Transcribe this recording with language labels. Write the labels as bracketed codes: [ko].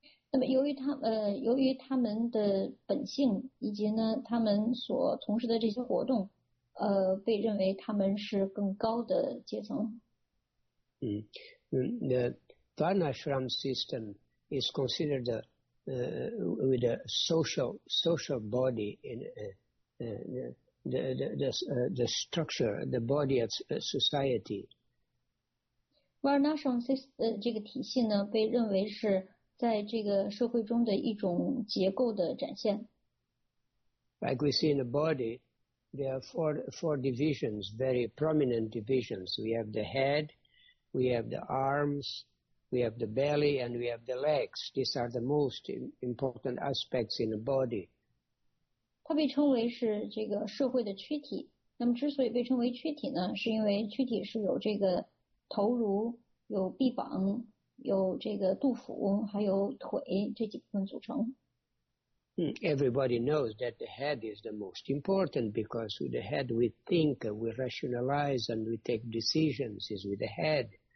[zh] 那么由于他们的本性以及呢他们所从事的这些活动，被认为他们是更高的阶层。The [en] Varnashram system is considered with a social body in the structure, the body of society. [zh] Varnashram 这个体系呢，被认为是在这个社会中的一种结构的展现。 [en] Like we see in the body, there are four divisions, very prominent divisions. We have the head, we have the arms, we have the belly, and we have the legs. These are the most important aspects in the body. [zh] 它被称为是这个社会的躯体。那么之所以被称为躯体呢，是因为躯体是有这个头颅、有臂膀、有这个肚腹、还有腿这几部分组成。 [en] Everybody knows that the head is the most important because with the head we think, we rationalize, and we take decisions is with the head.